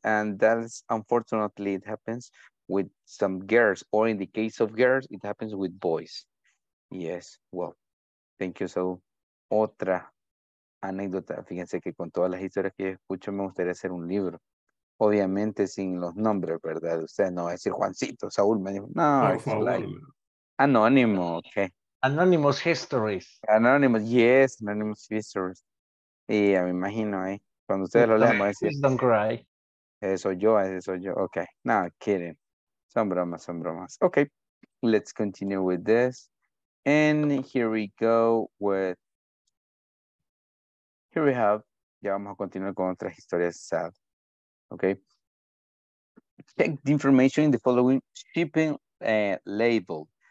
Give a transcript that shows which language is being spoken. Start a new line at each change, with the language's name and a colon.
English: And that's, unfortunately, it happens with some girls, or in the case of girls, it happens with boys. Yes, well, thank you. So,
Spanish: otra anécdota. Fíjense que con todas las historias que escucho, me gustaría hacer un libro. Obviamente sin los nombres, ¿verdad? Usted no va a decir Juancito, Saúl me dijo. No, por favor. Like anónimo, ok.
English: Anonymous histories. Anonymous, yes, anonymous histories.
Spanish: Y ya me imagino ahí. Cuando ustedes lo lean, va a decir.
English: Please don't cry.
Spanish: Eso soy yo. Ok.
English: No, kidding.
Spanish: Son bromas. Ok.
English: Let's continue with this. And here we go with... Here we have...
Spanish: Ya vamos a continuar con otras historias sad. Okay.
English: Check the information in the following shipping label.